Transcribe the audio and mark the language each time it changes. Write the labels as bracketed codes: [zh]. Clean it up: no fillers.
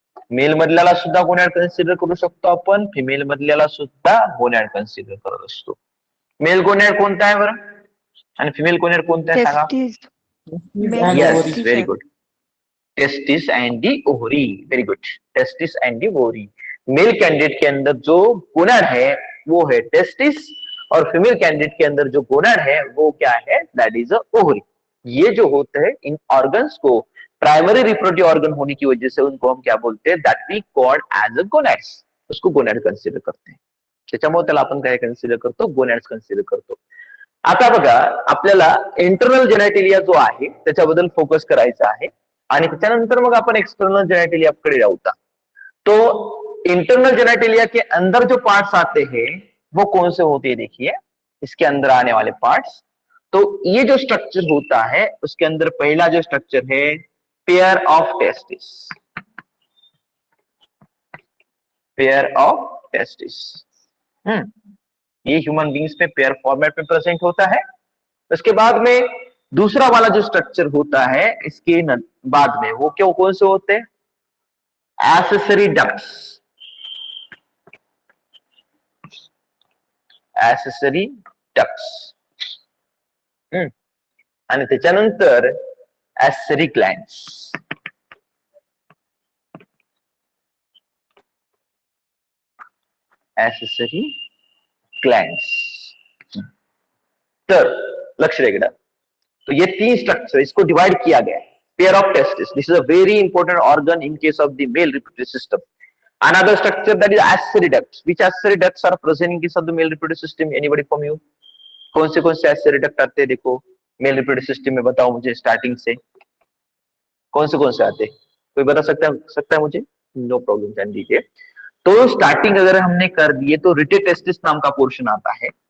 [mr] Mail मधल्याला सुद्धा गोनॅड consider करू शकतो आपण, फिमेल मधल्याला सुद्धा गोनॅड कन्सिडर करत असतो। मेल गोनॅड कोणता आहे बरं आणि फिमेल गोनॅड कोणता आहे सांगा? [en] Yes very good, testis and the ovary, very good, testis and the ovary. [hi] Mail candidate के अंदर जो गोनॅड है वो है टेस्टिस, और फिमेल कॅन्डिडेट के अंदर जो गोनॅड है वो क्या है? [en] That is a ovary. [hi] ये जो होते हैं इन ऑर्गन्स को प्राइमरी रिप्रोडक्टिव ऑर्गन होने की वजह से उनको हम क्या बोलते हैं, [en] that we called as a gonads, [hi] उसको गोनेड कंसिडर करते हैं. [mr] त्याच्यामुळे आपण काय कन्सिडर करतो, गोनेड्स कन्सिडर करतो. आता बघा आपल्याला इंटरनल जेनिटेलिया जो आहे त्याच्याबद्दल फोकस करायचा आहे आणि त्याच्यानंतर मग आपण एक्सटर्नल जेनिटेलिया कडे जाऊ. [hi] तो इंटरनल जेनिटेलिया के अंदर जो पार्ट्स आते हैं वो कौन से होते हैं, देखिए इसके अंदर आने वाले पार्ट्स. तो ये जो स्ट्रक्चर होता है उसके अंदर पहला जो स्ट्रक्चर है pair of testis, pair of testis. ये ह्यूमन बींग्स में पेयर फॉर्मेट में प्रेजेंट होता है. उसके बाद में दूसरा वाला जो स्ट्रक्चर होता है इसके बाद में वो क्या, कौन से होते हैं, एसेसरी डक्ट्स, एसेसरी डक्ट्स. [mr] आणि त्याच्यानंतर एसेसरी ग्लॅन्ड्स. एसेसरी ग्लॅन्ड्स. तर लक्ष द्या इकडे, [hi] तो ये तीन स्ट्रक्चर इसको डिवाइड किया गया है. [en] Pair of testis. This is a very important organ in case of the male reproductive system. Another structure that is accessory ducts. Which accessory ducts are present in case of the male reproductive system? Anybody from you? [hi] कौन से accessory duct आते हैं देखो male reproductive system में, बताओ मुझे starting से. कौन से आते हैं? कोई बता सकता है मुझे? [en] No problem, [hi] ध्यान दीजिए. तो starting अगर हमने कर दिए तो rete testis नाम का portion आता है.